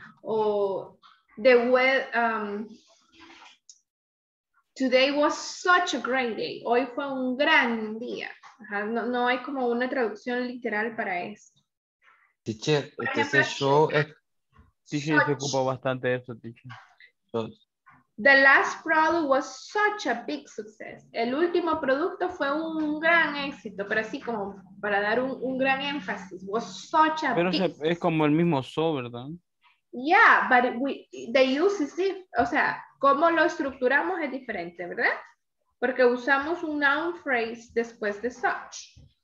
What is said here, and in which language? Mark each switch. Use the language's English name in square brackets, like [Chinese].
[English] O the weather, today was such a great day. [Spanish] Hoy fue un gran día. Ajá. No hay como una traducción literal para esto. Teacher, este show es... Teacher, se ocupa bastante eso, teacher. [English] The last product was such a big success. [Spanish] El último producto fue un gran éxito, pero así como para dar un gran énfasis. [English] Was such a [Spanish] pero [English] big success. [Spanish] Pero es como el mismo so, ¿verdad? [English] Yeah, but the use is different. [Spanish] O sea, cómo lo estructuramos es diferente, ¿verdad? Porque usamos un noun phrase después de such.